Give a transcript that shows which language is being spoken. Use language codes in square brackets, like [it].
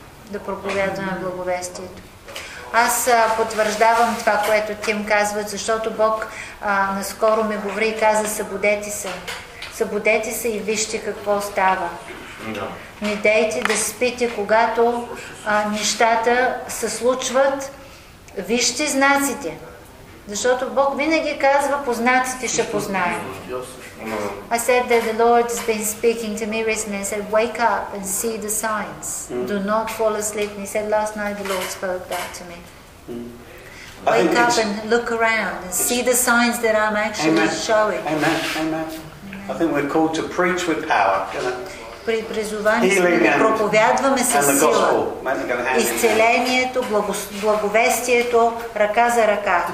[bg] Да проповядваме благовестието. Аз потвърждавам това, което Тим казва, защото Бог наскоро ми говори и каза, събудете се. Събудете се и вижте какво става. Не дейте да спите, когато нещата се случват. Вижте знаците. Защото Бог винаги казва, по знаците ще познаем. [en] I said that the Lord has been speaking to me recently and said, wake up and see the signs. Do not fall asleep. And he said, last night the Lord spoke that to me. Wake up and look around and see the signs that I'm actually showing. Amen. I think we're called to preach with power. [bg] При призовани сме да проповядваме със сила. Изцелението, благовестието, ръка за ръка.